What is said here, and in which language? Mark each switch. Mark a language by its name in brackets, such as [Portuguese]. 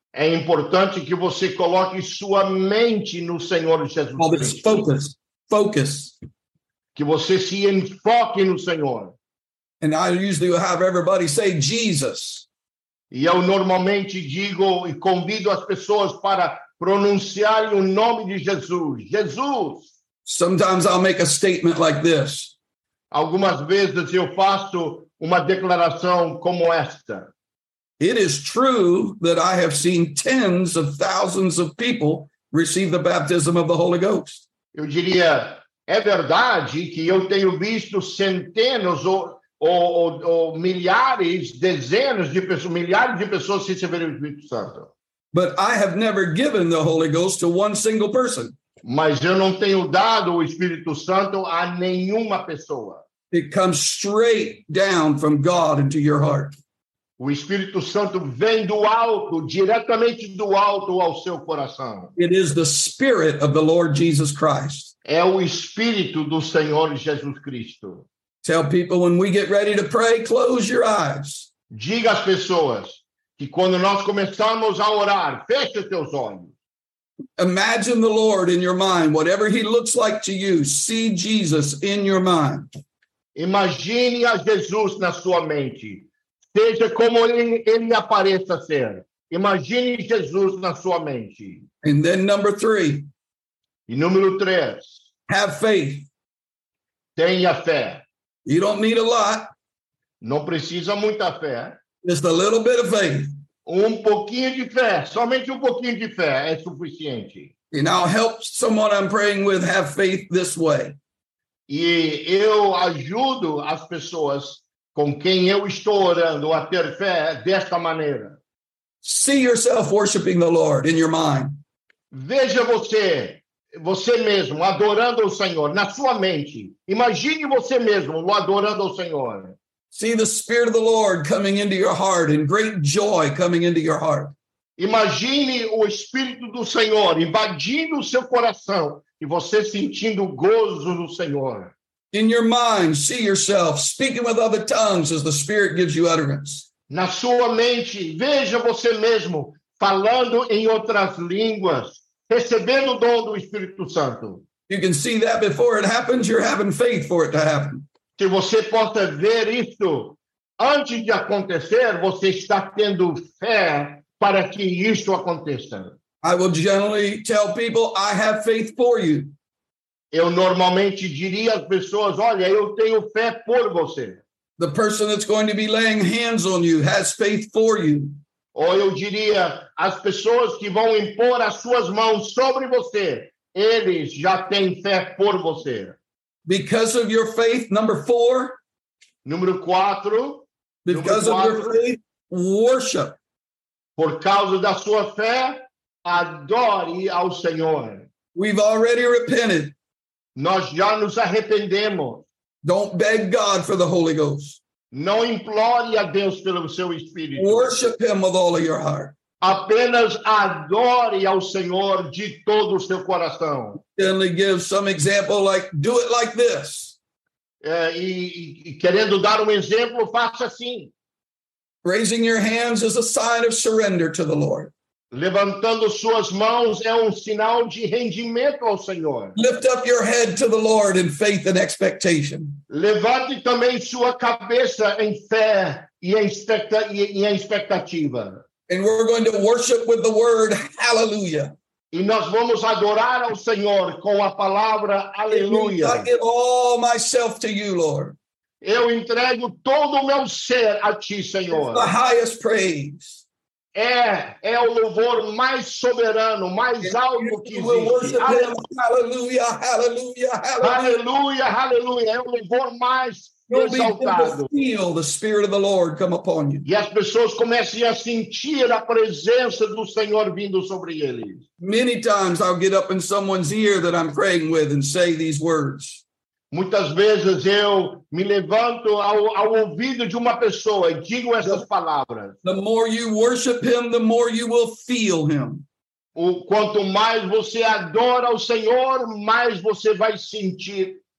[Portuguese] É importante que você coloque sua mente no Senhor Jesus Cristo. [English] Focus. Focus. Focus. [Portuguese] Que você se enfoque no Senhor. [English] And I usually have everybody say Jesus. [Portuguese] E eu normalmente digo e convido as pessoas para pronunciar o nome de Jesus. Jesus. [English] Sometimes I'll make a statement like this. [Portuguese] Algumas vezes eu faço uma declaração como esta. [English] It is true that I have seen tens of thousands of people receive the baptism of the Holy Ghost. [Portuguese] Eu diria, é verdade que eu tenho visto centenas ou milhares, dezenas de pessoas, milhares de pessoas se receberem o Espírito Santo. [English] But I have never given the Holy Ghost to one single person. [Portuguese] Mas eu não tenho dado o Espírito Santo a nenhuma pessoa. [English] It comes straight down from God into your heart. [Portuguese] O Espírito Santo vem do alto, diretamente do alto ao seu coração. [English] It is the Spirit of the Lord Jesus Christ. [Portuguese] É o Espírito do Senhor Jesus Cristo. [English] Tell people when we get ready to pray, close your eyes. [Portuguese] Diga às pessoas que quando nós começamos a orar, feche seus olhos. [English] Imagine the Lord in your mind, whatever he looks like to you. See Jesus in your mind. [Portuguese] Imagine a Jesus na sua mente. Seja como ele apareça ser. Imagine Jesus na sua mente. [English] And then number three. [Portuguese] E número três. [English] Have faith. [Portuguese] Tenha fé. [English] You don't need a lot. [Portuguese] Não precisa muita fé. [English] Just a little bit of faith. [Portuguese] Um pouquinho de fé. Somente um pouquinho de fé é suficiente. [English] And I'll help someone I'm praying with have faith this way. [Portuguese] E eu ajudo as pessoas com quem eu estou orando a ter fé desta maneira. [English] See yourself worshiping the Lord in your mind. [Portuguese] Veja você mesmo adorando o Senhor na sua mente. Imagine você mesmo adorando o Senhor. [English] See the Spirit of the Lord coming into your heart and great joy coming into your heart. [Portuguese] Imagine o Espírito do Senhor invadindo o seu coração e você sentindo gozo no Senhor. [English] In your mind, see yourself speaking with other tongues as the Spirit gives you utterance. [Portuguese] Na sua mente, veja você mesmo falando em outras línguas, recebendo o dom do Espírito Santo. [English] You can see that before it happens, you're having faith for it to happen. [Portuguese] Se você possa ver isso antes de acontecer, você está tendo fé para que isso aconteça. [English] I will generally tell people, I have faith for you. [Portuguese] Eu normalmente diria às pessoas, olha, eu tenho fé por você. [English] The person that's going to be laying hands on you has faith for you. [Portuguese] Ou eu diria, as pessoas que vão impor as suas mãos sobre você, eles já têm fé por você. [English] Because of your faith, number four. [Portuguese] Número quatro. [English] Because of your faith, worship. [Portuguese] Por causa da sua fé, adore ao Senhor. [English] We've already repented. [Portuguese] Nós já nos arrependemos. [English] Don't beg God for the Holy Ghost. [Portuguese] Não implore a Deus pelo seu Espírito. [English] Worship Him with all of your heart. [Portuguese] Apenas adore ao Senhor de todo o seu coração. [English] And He gives some example like, do it like this. [Portuguese] E querendo dar exemplo, faça assim. [English] Raising your hands is a sign of surrender to the Lord. [Portuguese] Levantando suas mãos é sinal de rendimento ao Senhor. [English] Lift up your head to the Lord in faith and expectation. [Portuguese] Levante também sua cabeça em fé e expectativa. [English] And we're going to worship with the word hallelujah. [Portuguese] E nós vamos adorar ao Senhor com a palavra aleluia. [English] I give all myself to you, Lord. [Portuguese] Eu entrego todo o meu ser a ti, Senhor. [English] It's the highest praise. [Portuguese] É o louvor mais soberano, mais alto que existe. Hallelujah, hallelujah, hallelujah. Hallelujah, hallelujah. É o louvor mais exaltado. [English] Feel the Spirit of the Lord come upon you. [Portuguese] E as pessoas começam a sentir a presença do Senhor vindo sobre eles. [English] Many times I'll get up in someone's ear that I'm praying with and say these words. [Portuguese] Muitas vezes eu me levanto ao ouvido de uma pessoa e digo essas palavras. [English] The more you worship Him, the more you will feel Him. [Portuguese] Quanto mais você adora o Senhor, mais você vai senti-lo.